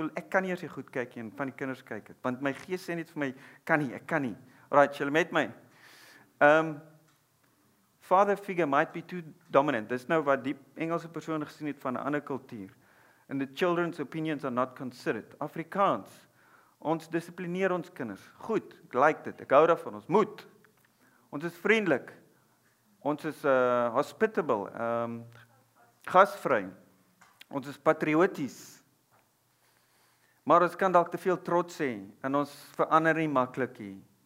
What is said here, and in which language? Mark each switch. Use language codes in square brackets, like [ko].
[af] Ek kan nie eens hier goed kyk en van die kinders kyk het, want my gees sê net vir my kan nie, ek kan nie. Right, julle met my. [en] Father figure might be too dominant. [af] Dis nou wat die Engelse persoon gesien het van 'n ander kultuur. [en] And the children's opinions are not considered. [af] Afrikaans. Ons dissiplineer ons kinders. Goed, ek like dit. Ek hou daarvan. Ons moet. Ons is vriendelik. Ons is hospitable. Gasvry. Ons is patrioties. Maar ons kan dalk te veel trots hê en ons verander nie maklik nie.